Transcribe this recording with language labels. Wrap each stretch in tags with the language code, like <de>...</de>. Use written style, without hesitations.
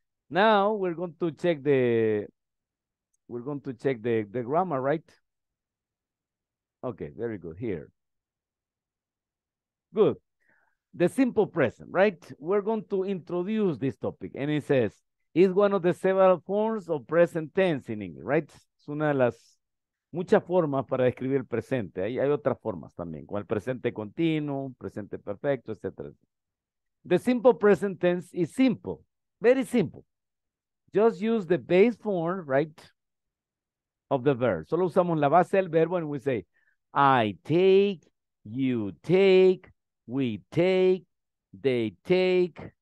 <en>Now we're going to check the grammar, right? Okay, very good. Here. Good. The simple present, right? We're going to introduce this topic. And it says, it's one of the several forms of present tense in English, right?</en> <es>Es una de las muchas formas para describir el presente. Hay otras formas también, como el presente continuo, presente perfecto, etc.</es> <en>The simple present tense is simple, very simple. Just use the base form, right, of the verb.</en> <es>Solo usamos la base del verbo</es> <en>and we say, I take, you take, we take, they take.</en>